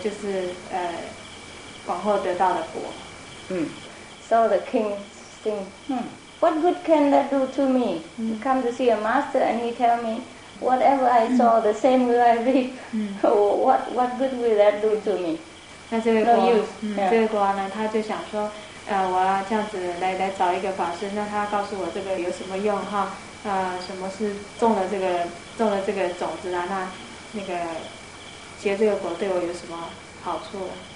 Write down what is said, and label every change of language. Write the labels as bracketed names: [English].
[Chinese] 那结果这位法师呢，就跟这个国王讲，就是说，任何你种下去的东西呢，那个就是往后得到的果。 [English] So the king thinks, what good can that do to me? You come to see a master and he tell me, whatever I saw, the same will I reap. What good will that do to me? [Chinese] 那这位国王呢，他就想说，我要这样子来找一个法师，那他告诉我这个有什么用哈？什么是种了这个种子啊？那个结这个果对我有什么好处？